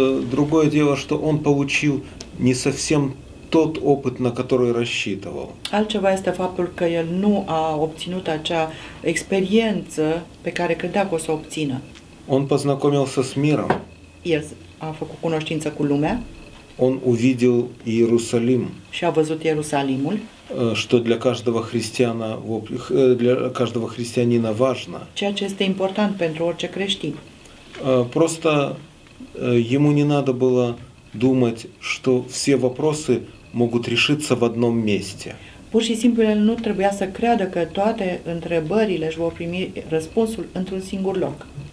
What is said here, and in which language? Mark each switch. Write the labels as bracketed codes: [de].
[ru] Другое дело, что он получил не совсем тот опыт, на который рассчитывал. [ro] Altceva este faptul că el nu a obținut acea experiență pe care credea că o să obțină. [ru] Он познакомился с миром. [ro] El a făcut cunoștință cu lumea. [ru] Он увидел Иерусалим. [ro] Și a văzut Ierusalimul. [ru] Что для каждого христиана, для каждого христианина важно. [ro] Ceea ce este important pentru orice creștin. [ru] Просто ему не надо было думать, что все вопросы могут решиться в одном месте. [ro] Pur și simplu el nu trebuia să creadă că toate întrebările își vor primi răspunsul într-un singur loc.